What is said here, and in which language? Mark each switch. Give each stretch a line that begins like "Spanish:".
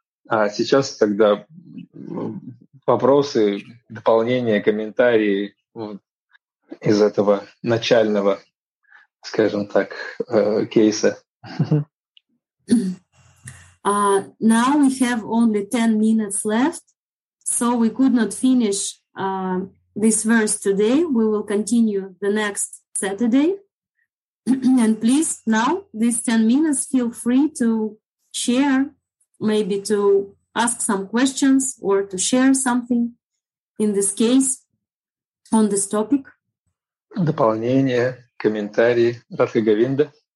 Russian: А сейчас тогда вопросы, дополнения, комментарии из этого начального, скажем так, кейса.
English: Now we have only 10 minutes left, so we could not finish this verse today. We will continue the next Saturday. And please, now, these 10 minutes, feel free to share, maybe to ask some questions or to share something in this case on this topic.
Russian: Дополнение, комментарии, Радха Говинда.